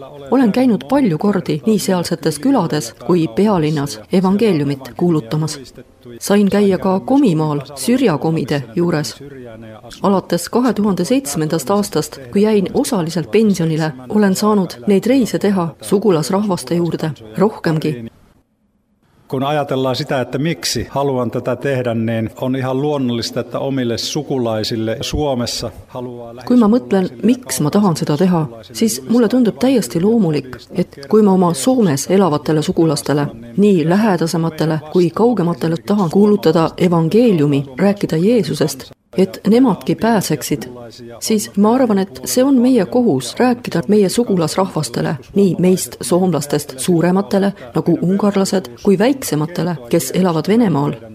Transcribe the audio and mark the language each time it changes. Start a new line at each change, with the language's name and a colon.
Estonian: Olen käinud palju kordi nii sealsetes külades kui pealinnas evangeeliumit kuulutamas. Sain käia ka komimaal sürjakomide juures. Alates 2007. aastast, kui jäin osaliselt pensionile, olen saanud neid reise teha sugulasrahvaste juurde rohkemgi.
Finnish: Kun ajatellaan sitä, että miksi haluan tätä tehdä, niin on ihan luonnollista, että omille sukulaisille Suomessa haluaa...
Estonian: Kui ma mõtlen, miks ma tahan seda teha, siis mulle tundub täiesti loomulik, et kui ma oma Soomes elavatele sugulastele, nii lähedasematele kui kaugematele tahan kuulutada evangeeliumi, rääkida Jeesusest, et nemadki pääseksid, siis ma arvan, et see on meie kohus rääkida meie sugulasrahvastele, nii meist soomlastest suurematele, nagu ungarlased, kui väiksematele, kes elavad Venemaal.